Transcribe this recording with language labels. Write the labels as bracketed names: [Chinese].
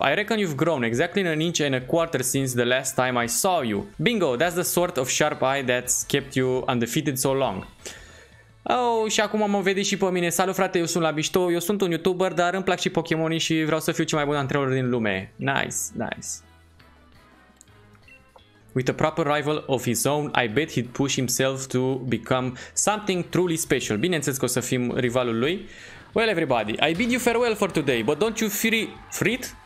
[English] I reckon you've grown exactly in an inch and a quarter since the last time I saw you. Bingo, that's the sort of sharp eye that's kept you undefeated so long. [Romanian] Oh, și acum mă vedeți și pe mine. Salut, frate, eu sunt la mișto. Eu sunt un YouTuber, dar îmi plac și Pokémonii și vreau să fiu cel mai bun antrenor din lume. [English] Nice, nice. With a proper rival of his own, I bet he'd push himself to become something truly special. [Romanian] Bineînțeles că o să fim rivalul lui. [English] Well, everybody, I bid you farewell for today, but don't you fret.